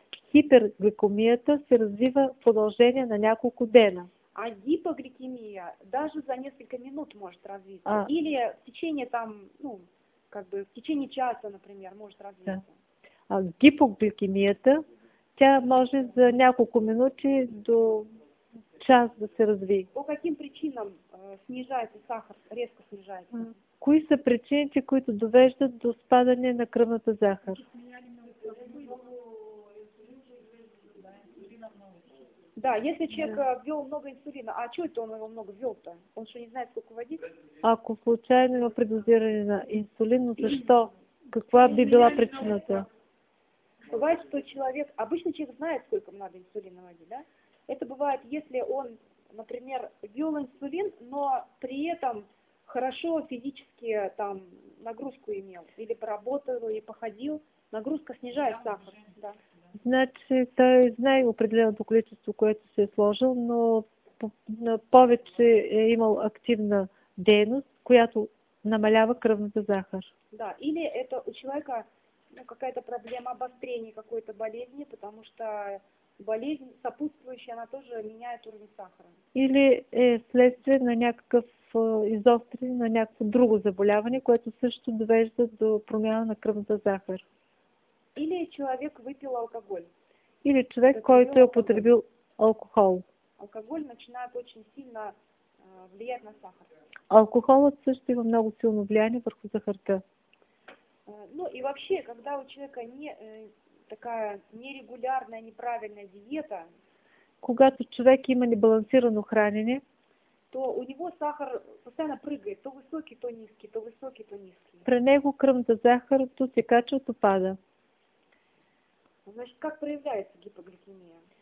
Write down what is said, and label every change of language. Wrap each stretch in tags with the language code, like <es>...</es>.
<bg>Хипергликемията се развива в продължение на няколко дена.</bg> <ru>А гипогликемия даже за несколько минут может развиться. Или в течение там, ну, как бы в течение часа, например, может развиться. Да.</ru> <bg>А гипогликемията, тя може за няколко минути до час да се разви.</bg> <ru>По каким причинам снижается сахар, резко снижается?</ru> <bg>Кои са причините, които довеждат до спадане на кръвната захар?</bg> <ru>Да, если человек ввел много инсулина, а что это он его много ввел-то? Он что, не знает, сколько водить?</ru> <bg>Ако случайно има предозиране на инсулин, но защо? Каква би била причината?</bg> <ru>Бывает, что человек, обычно человек знает, сколько ему надо инсулина водить, да? Это бывает, если он, например, ввел инсулин, но при этом хорошо физически там нагрузку имел, или поработал, или походил, нагрузка снижает сахар, да.</ru> <bg>Значи той знае определеното количество, което се е сложил, но повече е имал активна дейност, която намалява кръвната захар.</bg> <ru>Да, или это у человека, ну, какая-то проблема обострения какой-то болезни, потому что болезнь сопутствующая, она тоже меняет уровень сахара.</ru> <bg>Или е следствие на някакъв изострен, на някакво друго заболяване, което също довежда до промяна на кръвната захар.</bg> <ru>Или человек выпил алкоголь. Или человек, который употребил алкоголь. Алкоголь начинает очень сильно влиять на сахар.</ru> <bg>Алкоголът също има много силно влияние върху захарта.</bg> <ru>Ну и вообще, когда у человека не такая нерегулярная, неправильная диета,</ru> <bg>когато човек има небалансирано хранене,</bg> <ru>то у него сахар постоянно прыгает, то высокий, то низкий, то высокий, то низкий.</ru> <bg>При него кръвната захар то се качва, то пада.</bg> <ru>Значит, как проявляется гипогликемия?</ru>